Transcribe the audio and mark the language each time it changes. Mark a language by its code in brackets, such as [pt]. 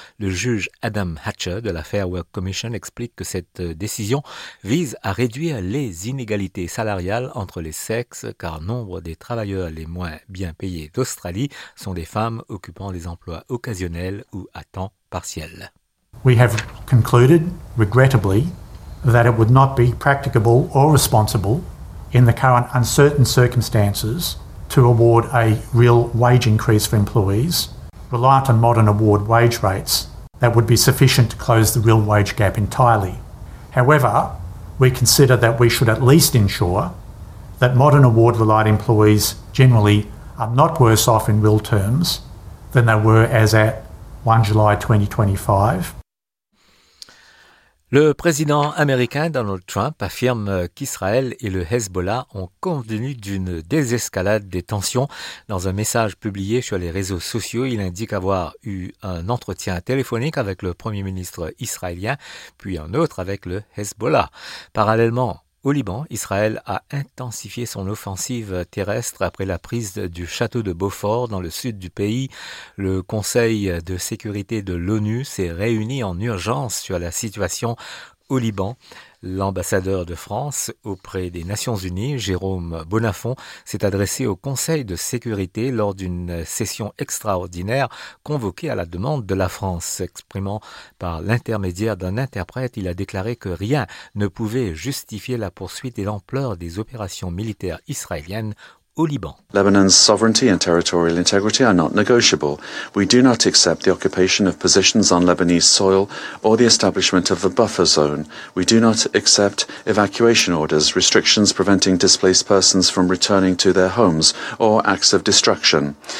[fr] Le juge Adam Hatcher de la Fair Work Commission explique que cette décision vise à réduire les inégalités salariales entre les sexes, car nombre des travailleurs les moins bien payés d'Australie sont des femmes occupant des emplois occasionnels ou à temps partiel. [en] We have concluded, regrettably, that it would not be practicable or responsible in the current uncertain circumstances to award a real wage increase for employees, reliant on modern award wage rates, that would be sufficient to close the real wage gap entirely. However, we consider that we should at least ensure that modern award-relied employees generally are not worse off in real terms than they were as at 1 July 2025. [fr] Le président américain Donald Trump affirme qu'Israël et le Hezbollah ont convenu d'une désescalade des tensions. Dans un message publié sur les réseaux sociaux, il indique avoir eu un entretien téléphonique avec le premier ministre israélien, puis un autre avec le Hezbollah. Parallèlement, au Liban, Israël a intensifié son offensive terrestre après la prise du château de Beaufort dans le sud du pays. Le Conseil de sécurité de l'ONU s'est réuni en urgence sur la situation au Liban. L'ambassadeur de France auprès des Nations Unies, Jérôme Bonafont, s'est adressé au Conseil de sécurité lors d'une session extraordinaire convoquée à la demande de la France. S'exprimant par l'intermédiaire d'un interprète, il a déclaré que rien ne pouvait justifier la poursuite et l'ampleur des opérations militaires israéliennes au Liban. [en] Lebanon's sovereignty and territorial integrity are not negotiable. We do not accept the occupation of positions on Lebanese soil or the establishment of the buffer zone. We do not accept evacuation orders, restrictions preventing displaced persons from returning to their homes, or acts of destruction.